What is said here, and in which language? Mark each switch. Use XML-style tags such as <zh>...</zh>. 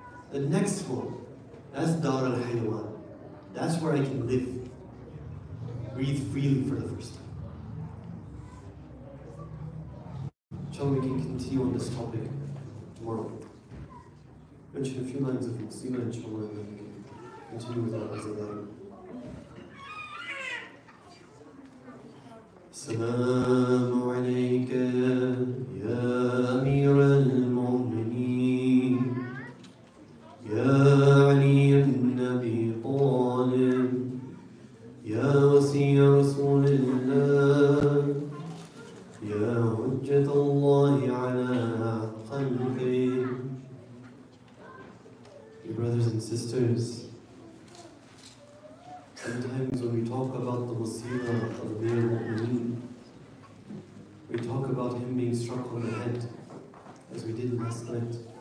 <en>The next world, that's Dar al-Haywan, that's where I can live, breathe freely for the first time. Inshallah, we can continue on this topic tomorrow. Mention a few lines of Muslim, inshallah, and then we can continue with our Azadar.</en> <ar>السلام عليك يا أمير المؤمنين يا علي بن أبي طالب يا وصي رسول الله يا حجة الله على خلقه.</ar> <en>Dear brothers and sisters, sometimes when we talk about the wasila of Amir al-Mu'mineen, we talk about him being struck on the head, as we did last night.</en>